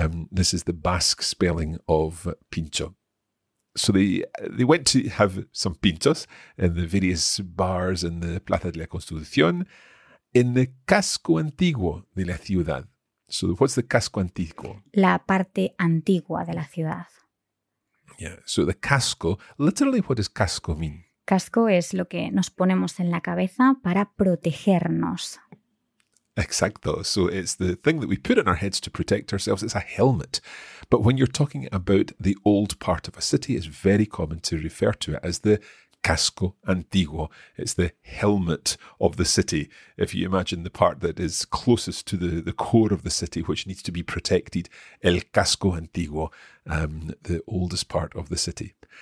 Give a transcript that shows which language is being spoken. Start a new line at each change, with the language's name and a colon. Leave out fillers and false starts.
English: This is the Basque spelling of pincho. So they went to have some pintos in the various bars in the Plaza de la Constitución in the
Spanish: casco antiguo de la ciudad.
English: So what's the casco antiguo?
Spanish: La parte antigua de la ciudad.
English: Yeah, so the casco, literally what does casco mean?
Spanish: Casco es lo que nos ponemos en la cabeza para protegernos. Exacto.
English: So it's the thing that we put on our heads to protect ourselves. It's a helmet. But when you're talking about the old part of a city, it's very common to refer to it as the casco antiguo. It's the helmet of the city. If you imagine the part that is closest to the core of the city, which needs to be protected, el casco antiguo, the oldest part of the city.